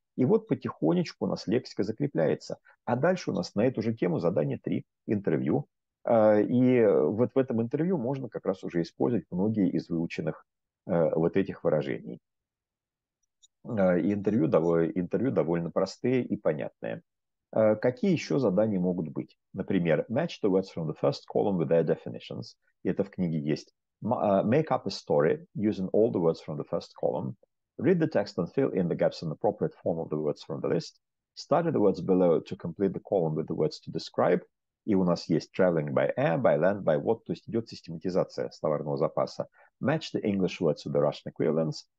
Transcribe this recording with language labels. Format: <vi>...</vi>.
<ru>И вот потихонечку у нас лексика закрепляется. А дальше у нас на эту же тему задание 3, интервью. И вот в этом интервью можно как раз уже использовать многие из выученных вот этих выражений. И интервью довольно простые и понятные. Какие еще задания могут быть? Например,</ru> <en>match the words from the first column with their definitions.</en> <ru>И это в книге есть.</ru> <en>Make up a story using all the words from the first column. Read the text and fill in the gaps in the appropriate form of the words from the list. Study the words below to complete the column with the words to describe.</en> <ru>И у нас есть</ru> <en>traveling by air, by land, by what.</en> <ru>То есть идет систематизация словарного запаса.</ru> <en>Match the English words with the Russian equivalents.</en>